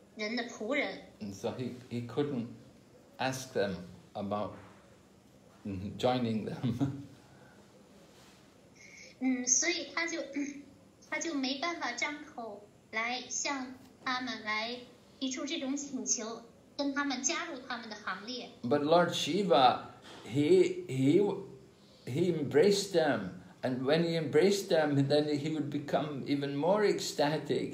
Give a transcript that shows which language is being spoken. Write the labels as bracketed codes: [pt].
[en] And so he couldn't ask them about joining them. [zh] 所以他就没办法张口来向他们来提出这种请求，跟他们加入他们的行列。 [en] But Lord Shiva, he embraced them, and when he embraced them, then he would become even more ecstatic.